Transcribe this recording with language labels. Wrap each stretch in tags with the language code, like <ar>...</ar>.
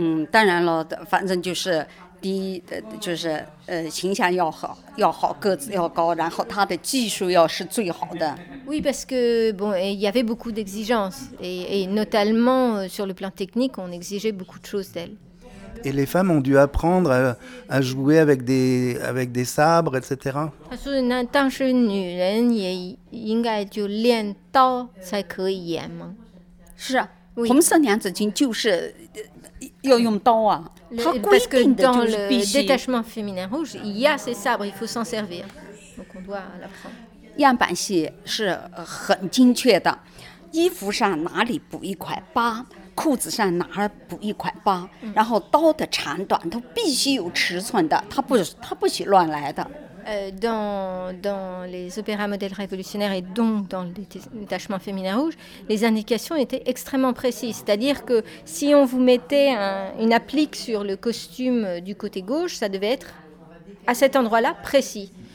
<zh>当然了，反正就是第一，就是形象要好，要好，个子要高，然后他的技术要是最好的。</zh> <fr>Oui, parce que bon, il y avait beaucoup d'exigences, et notamment sur le plan technique, on exigeait beaucoup de choses d'elle. Et les femmes ont dû apprendre à jouer avec des sabres, etc.</fr> <zh>他说，那当时女人也应该就练刀才可以演吗？是啊，红色娘子军就是。要用刀啊！他规定的就是必须。</zh> <fr>Détachement féminin rouge, il y a ces sabres, il faut s'en servir. Donc on doit l'apprendre.</fr> <zh>样板戏是很精确的，衣服上哪里补一块疤，裤子上哪儿补一块疤，然后刀的长短都必须有尺寸的，他不许乱来的。</zh> <fr>Dans les opéras modèles révolutionnaires et donc dans le détachement féminin rouge, les indications étaient extrêmement précises. C'est-à-dire que si on vous mettait une applique sur le costume du côté gauche, ça devait être à cet endroit-là précis.</fr>